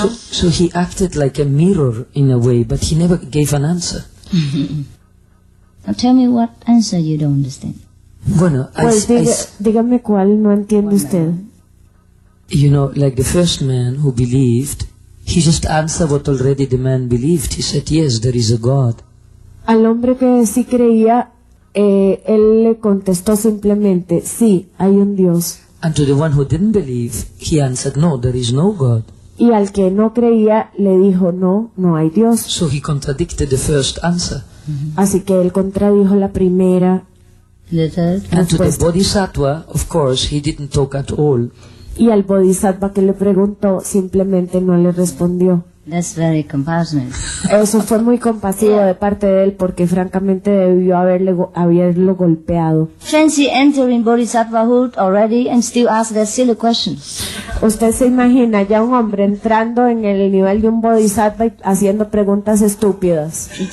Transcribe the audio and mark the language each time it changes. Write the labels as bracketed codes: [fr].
[en] So he acted like a mirror in a way, but he never gave an answer. Now tell me what answer you don't understand. [es] Bueno, dígame cuál no entiende usted. [en] You know, like the first man who believed, He just answered what already the man believed. He said, yes, there is a God. [es] Al hombre que sí creía, él le contestó simplemente, sí, hay un Dios. [en] And to the one who didn't believe, he answered, no, there is no God. [es] Y al que no creía, le dijo, no, no hay Dios. [en] So he contradicted the first answer. Mm-hmm. [es] Así que él contradijo la primera. [en] The third. And to the Bodhisattva, of course, he didn't talk at all. [es] Y al Bodhisattva que le preguntó, simplemente no le respondió. [en] That's very compassionate. [es] Eso fue muy compasivo de parte de él, porque francamente debió haberlo golpeado. [en] Fancy entering Bodhisattvahood already and still ask that silly question. [es] Usted se imagina ya un hombre entrando en el nivel de un Bodhisattva y haciendo preguntas estúpidas.